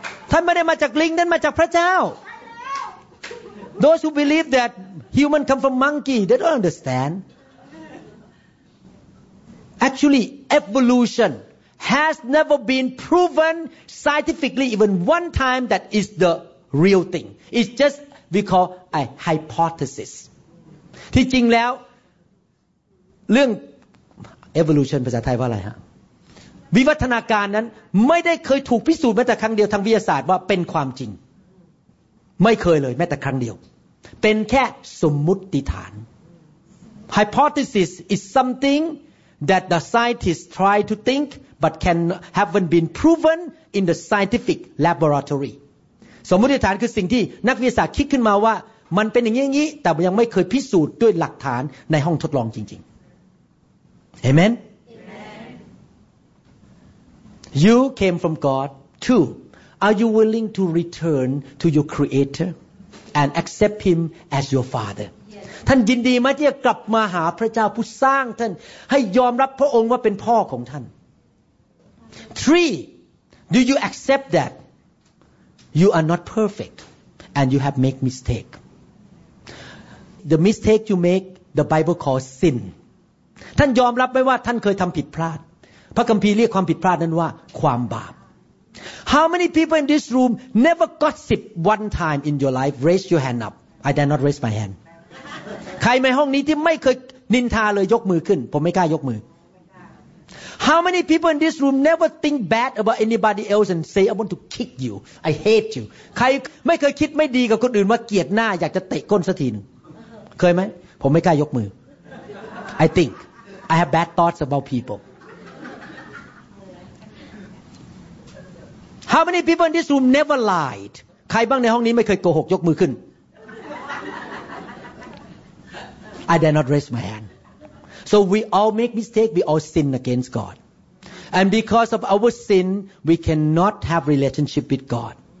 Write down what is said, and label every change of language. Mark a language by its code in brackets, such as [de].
[th] ท่านไม่ได้มาจากลิงท่านมาจากพระเจ้า [en] Those who believe that human come from monkey, they don't understand. Actually, evolution has never been proven scientifically even one time that is the real thing. It's just we call a hypothesis. [th] ที่จริงแล้วเรื่องevolution ภาษาไทยว่าอะไรฮะวิวัฒนาการนั้นไม่ได้เคยถูกพิสูจน์แม้แต่ครั้งเดียวทางวิทยาศาสตร์ว่าเป็นความจริง ไม่เคยเลยแม้แต่ครั้งเดียวเป็นแค่สมมุติฐาน [en] hypothesis is something that the scientists try to think but can haven't been proven in the scientific laboratory [th] สมมุติฐานคือสิ่งที่นักวิทยาศาสตร์คิดขึ้นมาว่ามันเป็นอย่างงี้แต่ยังไม่เคยพิสูจน์ด้วยหลักฐานในห้องทดลองจริงๆAmen? [en] Amen. You came from God too. Are you willing to return to your Creator and accept Him as your Father? [th] ท่านยินดีไหมที่จะกลับมาหาพระเจ้าผู้สร้างท่านให้ยอมรับพระองค์ว่าเป็นพ่อของท่าน Three. [en] Do you accept that you are not perfect and you have made mistake? The mistake you make, the Bible calls sin. [th] ท่านยอมรับไหมว่าท่านเคยทำผิดพลาดพระคัมภีร์เรียกความผิดพลาดนั้นว่าความบาป [en] How many people in this room never gossip one time in your life? Raise your hand up. I dare not raise my hand. [th] ใครในห้องนี้ที่ไม่เคยนินทาเลยยกมือขึ้นผมไม่กล้ายกมือ [en] How many people in this room never think bad about anybody else and say I want to kick you? I hate you. [th] ใครไม่เคยคิดไม่ดีกับคนอื่นว่าเกลียดหน้าอยากจะเตะก้นสักทีนึงเคยไหมผมไม่กล้ายกมือ [en] I think I have bad thoughts about people. How many people in this room never lied? [th] ใครบ้างในห้องนี้ไม่เคยโกหกยกมือขึ้น [en] I dare not raise my hand. So we all make mistake. We all sin against God. And because of our sin, we cannot have relationship with God.